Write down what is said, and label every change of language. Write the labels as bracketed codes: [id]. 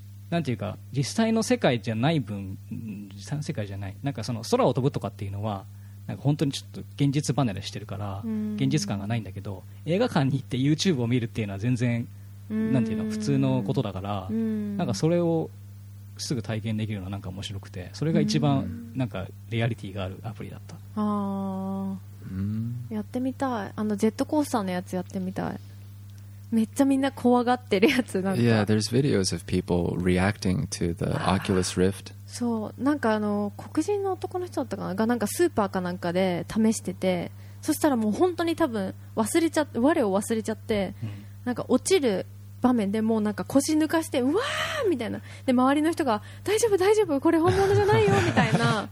[ja] なんていうか実際の世界じゃない分、実際の世界じゃない、なんかその空を飛ぶとかっていうのはなんか本当にちょっと現実離れしてるから、うん、現実感がないんだけど、映画館に行って YouTube を見るっていうのは全然、うん、なんていうか普通のことだから、うん、なんかそれをすぐ体験できるのはなんか面白くて、それが一番なんかリアリティがあるアプリだった、うん、あ、うん、やってみたい、あのジェットコースターのやつやってみたい、めっちゃみんな怖がってるやつ、なんか [en] Yeah, there's videos of people reacting to the Oculus Rift. [ja] そう、なんかあの黒人の男の人だったかな、がなんかスーパーかなんかで試してて、そしたらもう本当に多分忘れちゃ、我を忘れちゃって、うん、なんか落ちる場面でもうなんか腰抜かしてうわーみたいな、で周りの人が大丈夫大丈夫これ本物じゃないよみたいな